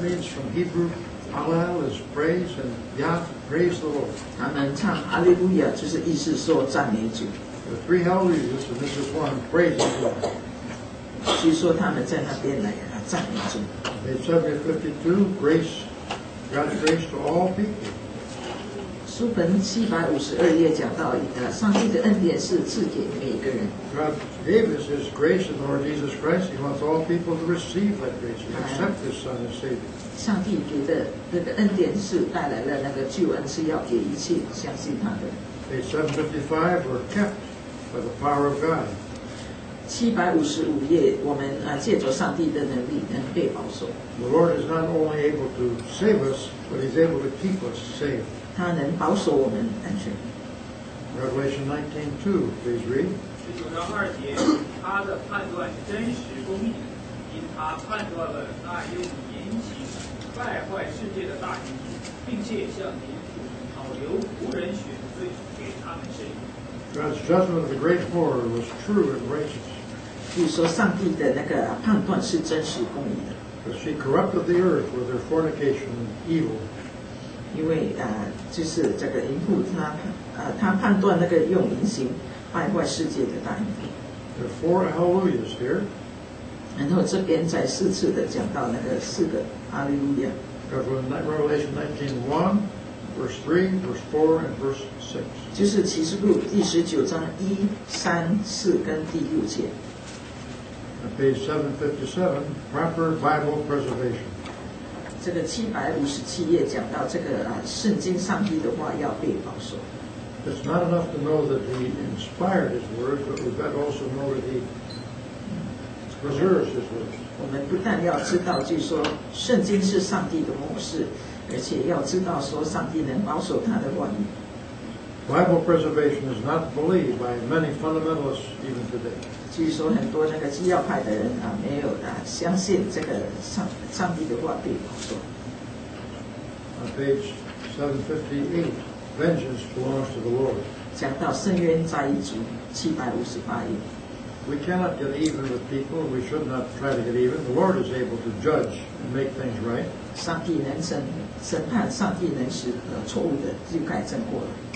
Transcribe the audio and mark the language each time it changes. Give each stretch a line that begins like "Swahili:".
English: means from Hebrew, Hallel is praise, and Yah, praise the Lord.
Chinese: 他们唱 Hallelujah 就是意思说赞美主。
English: The three Hallelujahs, and this is one, praise the Lord.
Chinese: 据说他们在那边来赞美主。
English: 752, grace, God's grace to all people.
Chinese: 书本752页讲到，上帝的恩典是赐给每个人。
English: God gave us His grace in the Lord Jesus Christ. He wants all people to receive that grace, and accept His Son as Savior.
Chinese: 上帝给的那个恩典是带来了那个救恩，是要给一切相信他的。
English: 755 were kept by the power of God.
Chinese: 755页，我们借着上帝的能力能被保守。
English: The Lord is not only able to save us, but He's able to keep us safe.
Chinese: 他能保守我们安全。
English: Revelation 19:2, please read.
Chinese: 19:2, 他的判断真实公义，因他判断了那用言行败坏世界的大君，并且向民主保留无人血的罪给他们赦免。
English: God's judgment of the great horror was true and righteous.
Chinese: 据说上帝的那个判断是真实公义的。
English: Because she corrupted the earth with her fornication and evil.
Chinese: 因为就是这个淫妇，她判断那个用淫行败坏世界的大淫妇。
English: There are four Hallelujahs here.
Chinese: 然后这边在四次的讲到那个四个 Hallelujah.
English: Revelation 19:1, verse 3, verse 4, and verse 6.
Chinese: 就是启示录第十九章一、三、四跟第六节。
English: On page 757, proper Bible preservation.
Chinese: 这个757页讲到这个圣经上帝的话要被保守。
English: It's not enough to know that He inspired His words, but we've got to also know that He preserves His words.
Chinese: 我们不但要知道，就是说圣经是上帝的默示，而且要知道说上帝能保守他的话语。
English: Bible preservation is not believed by many fundamentalists even today.
Chinese: 据说很多那个基要派的人没有相信这个上帝的话被保守。
English: On page 758, vengeance belongs to the Lord.
Chinese: 讲到伸冤在一族758页。
English: We cannot get even with people. We should not try to get even. The Lord is able to judge and make things right.
Chinese: 上帝能审判，上帝能使错误的就改正过来。